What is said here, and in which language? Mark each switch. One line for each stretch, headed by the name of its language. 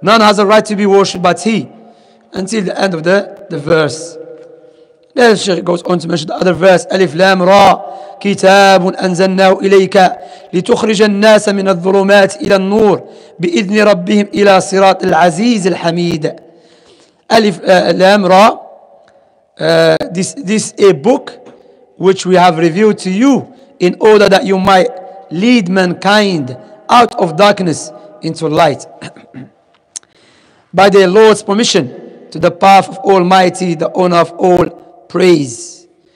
English: None has a right to be worshipped but he, until the end of the verse. Then the Sheikh goes on to mention the other verse, Alif Lam Ra,
Arabic: كتاب أنزلناه إليك لتخرج الناس من الظلمات إلى النور بإذن ربهم إلى صراط العزيز الحميد.
English: Alif Lam Ra. This is a book which we have revealed to you in order that you might lead mankind out of darkness into light. By the Lord's permission, to the path of Almighty, the owner of all praise.